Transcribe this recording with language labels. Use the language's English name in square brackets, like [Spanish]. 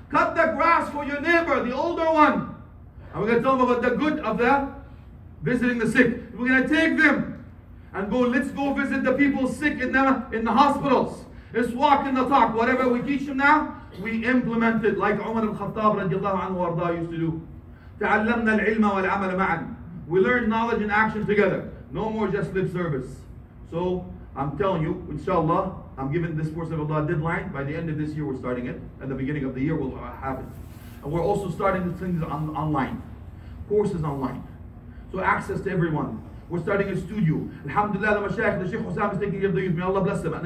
[English] Cut the grass for your neighbor, the older one. And we're going to tell them about the good of the visiting the sick. We're going to take them and go, let's go visit the people sick in the hospitals. Let's walk in the talk. Whatever we teach them now, we implement it like Umar al-Khattab radiallahu anhu warda used to do. [Arabic] تعلمنا العلم والعمل معا. [English] We learn knowledge and action together. No more just lip service. So I'm telling you, inshallah, I'm giving this force of Allah a deadline. By the end of this year, we're starting it. At the beginning of the year, we'll have it. And we're also starting things online. Courses online. So access to everyone. We're starting a studio. Alhamdulillah, the mashayikh, the Sheikh Hussam is taking care of the youth. May Allah bless them.